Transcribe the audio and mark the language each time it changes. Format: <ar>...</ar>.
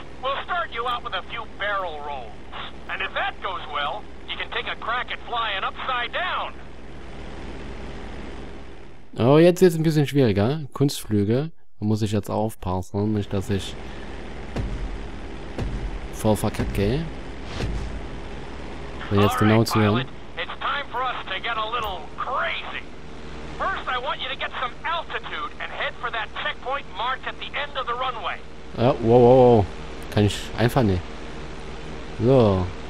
<en>We'll start you out with a few barrel rolls. And if that goes well, you can take a crack at flying upside down.</en> <de>Oh, jetzt wird es ein bisschen schwieriger. Kunstflüge. Da muss ich jetzt aufpassen, nicht dass ich voll verkacke. Und jetzt genau zu hören.</de> <en>It's time for us to get a little crazy. First I want you to get some altitude and head for that checkpoint marked at the end of the runway.</en> <de>Ja, wow. Kann ich einfach nicht. So.</de>